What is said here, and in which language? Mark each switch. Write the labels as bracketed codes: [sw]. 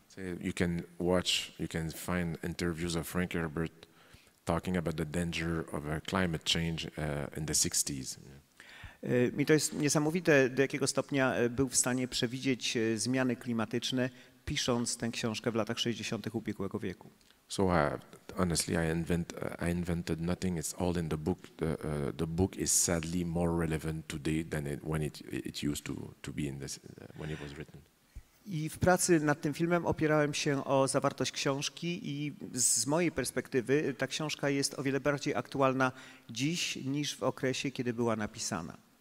[en] So you can find interviews of Frank Herbert talking about the danger of a climate change in the 60s. [pl] Mi to jest niesamowite, do jakiego stopnia był w stanie przewidzieć zmiany klimatyczne, pisząc tę książkę w latach 60. ubiegłego wieku. [en] So honestly, I invented nothing. It's all in the book. The book is sadly more relevant today than when it used to be in this when it was written. [pl] I w pracy nad tym filmem opierałem się o zawartość książki i z mojej perspektywy ta książka jest o wiele bardziej aktualna dziś niż w okresie, kiedy była napisana.